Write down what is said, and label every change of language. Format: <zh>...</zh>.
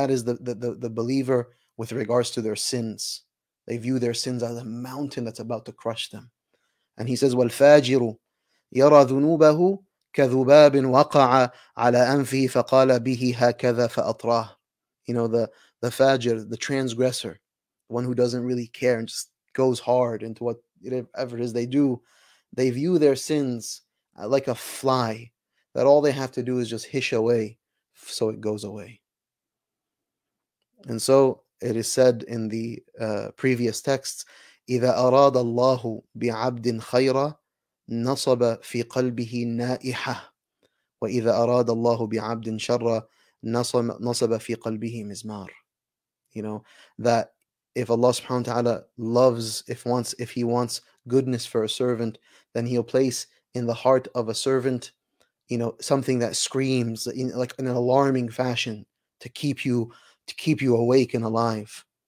<en>That is the believer with regards to their sins. They view their sins as a mountain that's about to crush them.</en> <ar>And he says, وَالْفَاجِرُ يَرَى ذُنُوبَهُ كَذُبَابٍ وَقَعَ عَلَى أَنْفِهِ فَقَالَ بِهِ هَكَذَا فَأَطْرَاهُ.</ar> <en>You know, the fajr, the transgressor, the one who doesn't really care and just goes hard into whatever it is they do, they view their sins like a fly, that all they have to do is just hish away, so it goes away.</en> <ar>And so it is said in the previous texts, إِذَا أَرَادَ اللَّهُ بِعَبْدٍ خَيْرًا نَصَبَ فِي قَلْبِهِ نَائِحَةً وَإِذَا أَرَادَ اللَّهُ بِعَبْدٍ شَرًّا نَصَبَ فِي قَلْبِهِ مِزْمَارٍ.</ar> <en>You know, that if Allah subhanahu wa ta'ala loves, if he wants goodness for a servant, then he'll place in the heart of a servant, you know, something that screams in like an alarming fashion to keep you awake and alive.</en>